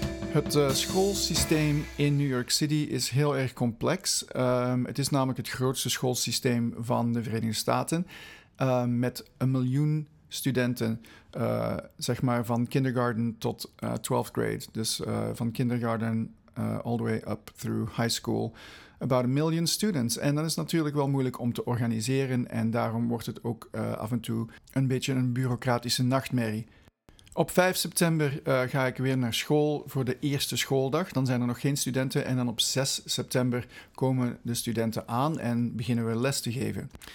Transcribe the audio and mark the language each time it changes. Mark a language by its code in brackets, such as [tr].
[nl] Het schoolsysteem in New York City is heel erg complex. Het is namelijk het grootste schoolsysteem van de Verenigde Staten. Met 1 miljoen studenten, zeg maar van kindergarten tot 12th grade. Dus van [en] kindergarten all the way up through high school. About 1 million students. [nl] En dat is natuurlijk wel moeilijk om te organiseren. En daarom wordt het ook af en toe een beetje een bureaucratische nachtmerrie. Op 5 september ga ik weer naar school voor de eerste schooldag. Dan zijn er nog geen studenten en dan op 6 september komen de studenten aan en beginnen we les te geven.